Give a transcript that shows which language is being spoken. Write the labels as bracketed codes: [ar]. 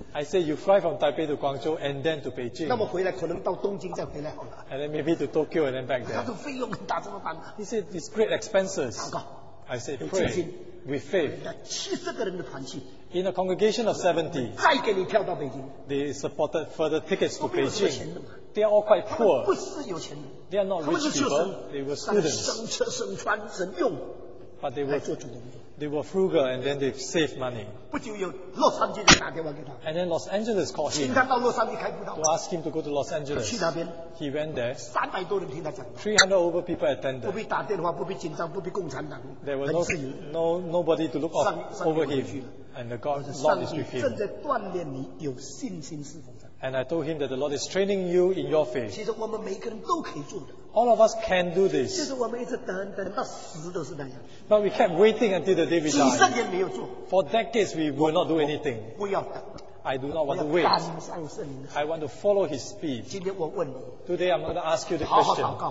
[en] I said you fly from Taipei to Guangzhou and then to Beijing. [zh] 那么回来可能到东京再回来好了, [en] and then maybe to Tokyo and then back there. [zh] 他说费用很大, [en] he said it's great expenses. [zh] 祷告, [en] I said pray with faith. [zh] 70个人的团契, [en] in a congregation of 70, [zh] 再给你跳到北京, [en] they supported further tickets to Beijing. They are all quite poor. They are not rich people. They were students. But they were frugal and then they saved money. And then Los Angeles called him to ask him to go to Los Angeles. He went there. 300 over people attended. There was nobody to look over him. And the God's Lord is with him. And I told him that the Lord is training you in your faith. [zh] 其实我们每个人都可以做的。 [en] All of us can do this. [zh] 其实我们一直等，等到死都是那样。 [en] But we kept waiting until the day we died. [zh] 几十年没有做。 [en] For decades we will not do anything. [zh] 我不要等。 [en] I do not want to wait. I want to follow His speed. Today I'm going to ask you the question.